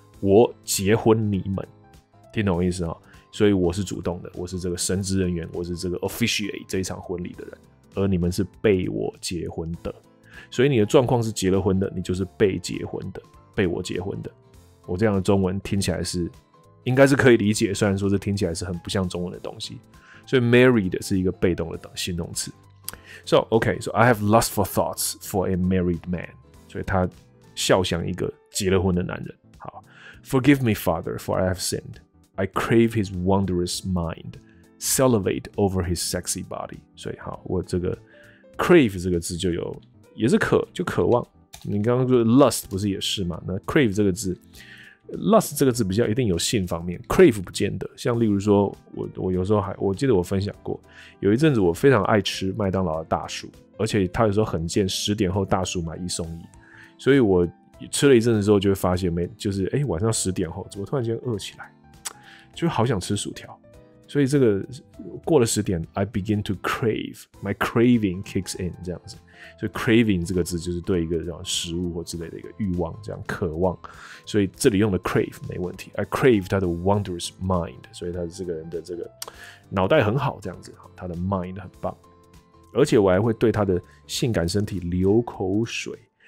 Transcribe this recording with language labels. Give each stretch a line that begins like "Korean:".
Chinese: 我结婚你们，听懂我意思哈？所以我是主动的，我是这个神职人员，我是这个 officiate 这一场婚礼的人，而你们是被我结婚的。所以你的状况是结了婚的，你就是被结婚的，被我结婚的。我这样的中文听起来是应该是可以理解，虽然说这听起来是很不像中文的东西。所以 married 是一个被动的形容词。
English: So okay, so I have lustful thoughts for a married man.
Chinese: 所以他笑想一个结了婚的男人。
English: Forgive me, Father, for I have sinned. I crave his wondrous mind, salivate over his sexy body.
Chinese: 所以好，我这个 crave 这个字就有，也是渴，就渴望。你刚刚说 lust 不是也是吗？那 crave 这个字 ，lust 这个字比较一定有性方面 ，crave 不见得。像例如说，我有时候还我记得我分享过，有一阵子我非常爱吃麦当劳的大薯，而且他有时候很贱，十点后大薯买一送一，所以我。吃了一阵子之后，就会发现没，就是晚上十点后，怎么突然间饿起来，就好想吃薯条。所以这个过了十点
English: ，I begin to crave, my craving kicks in
Chinese: 这样子。所以 craving 这个字就是对一个叫食物或之类的一个欲望，这样渴望。所以这里用的 crave 没问题 ，
English: I crave
Chinese: 他的 wondrous mind， 所以他这个人的这个脑袋很好，这样子，他的 mind 很棒，而且我还会对他的性感身体流口水。